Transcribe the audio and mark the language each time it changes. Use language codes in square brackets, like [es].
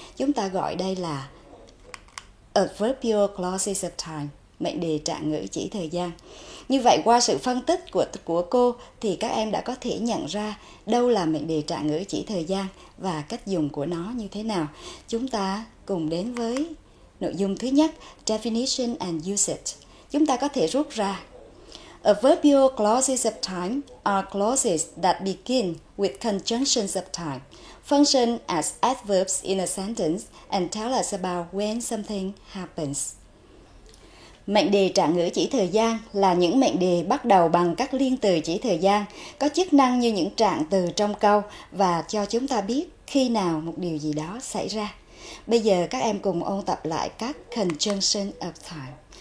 [vi] Chúng ta gọi đây là [en] adverbial clauses of time, [vi] mệnh đề trạng ngữ chỉ thời gian. Như vậy qua sự phân tích của cô thì các em đã có thể nhận ra đâu là mệnh đề trạng ngữ chỉ thời gian và cách dùng của nó như thế nào. Chúng ta cùng đến với nội dung thứ nhất, [en] definition and usage. [vi] Chúng ta có thể rút ra [en] adverbial clauses of time are clauses that begin with conjunctions of time, function as adverbs in a sentence, and tell us about when something happens. [vi] Mệnh đề trạng ngữ chỉ thời gian là những mệnh đề bắt đầu bằng các liên từ chỉ thời gian, có chức năng như những trạng từ trong câu và cho chúng ta biết khi nào một điều gì đó xảy ra. Bây giờ các em cùng ôn tập lại các conjunctions of time.